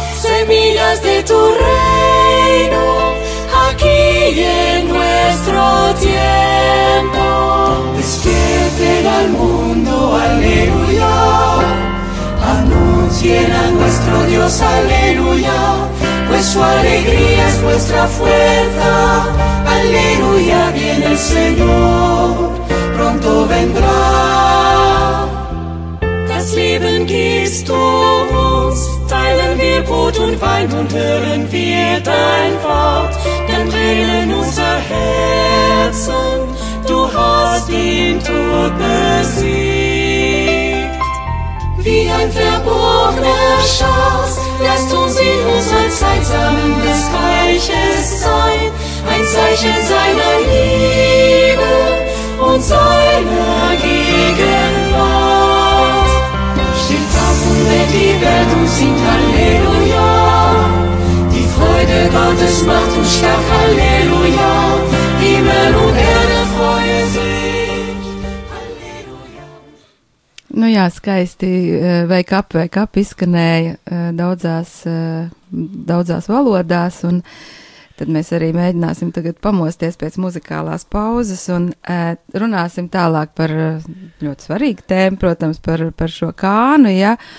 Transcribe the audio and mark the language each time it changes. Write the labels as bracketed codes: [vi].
[es] Semillas de tu reino. Y en nuestro tiempo despierten al mundo, alleluia. Anuncien a nuestro Dios, alleluia. Pues su alegría es nuestra fuerza, alleluia. Viene el Señor, pronto vendrá. [de] Das Leben gibst du uns, teilen wir Brot und Wein und hören wir dein Wort. Brennen unser Herzen, du hast den Tod besiegt. Wie ein verborgener Schatz, lässt uns in unserer Zeit Samen des Reiches sein, ein Zeichen seiner Liebe und seiner Gegenwart. Steht auf und wird die Welt und singt Halleluja. Freude Gottes macht uns stark, Halleluja. Himmel und Erde freuen sich, Halleluja. [lv] Nu jā, skaisti [en] wake up [lv] izskanēja daudzās valodās, un tad mēs arī mēģināsim tagad pamosties pēc muzikālās pauzes un runāsim tālāk par ļoti svarīgu tēmu, protams, par šo kānu, ja?